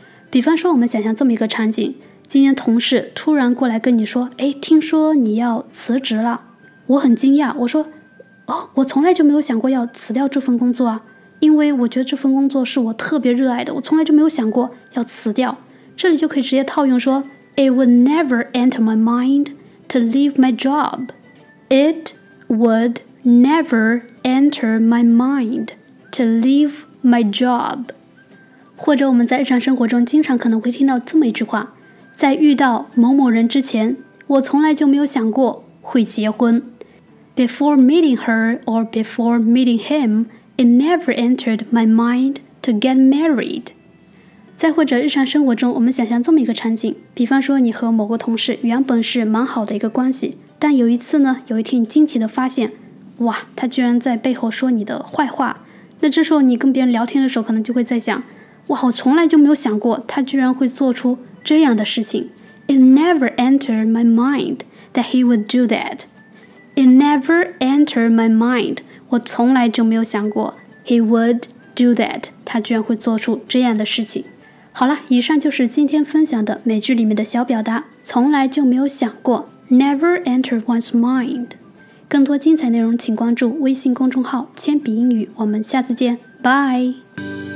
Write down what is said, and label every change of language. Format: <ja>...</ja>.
<zh>比方说我们想象这么一个场景，今天同事突然过来跟你说，哎，听说你要辞职了。我很惊讶，我说，哦，我从来就没有想过要辞掉这份工作啊，因为我觉得这份工作是我特别热爱的，我从来就没有想过要辞掉。这里就可以直接套用说</zh> <en>It would never enter my mind to leave my job. It would never enter my mind to leave my job.</en> <zh>或者我们在日常生活中经常可能会听到这么一句话，在遇到某某人之前，我从来就没有想过会结婚。</zh> <en>Before meeting her or before meeting himIt never entered my mind to get married.</en> <zh>再或者日常生活中，我们想象这么一个场景，比方说你和某个同事原本是蛮好的一个关系，但有一次呢，有一天你惊奇地发现，哇，他居然在背后说你的坏话。那这时候你跟别人聊天的时候，可能就会在想，哇，我从来就没有想过他居然会做出这样的事情。</zh> <en>It never entered my mind that he would do that. It never entered my mind.</en> <zh>我从来就没有想过</zh> <en>he would do that，</en> <zh>他居然会做出这样的事情。好了，以上就是今天分享的美剧里面的小表达，从来就没有想过</zh> <en>never enter one's mind。</en> <zh>更多精彩内容请关注微信公众号铅笔英语，我们下次见，拜拜。</zh>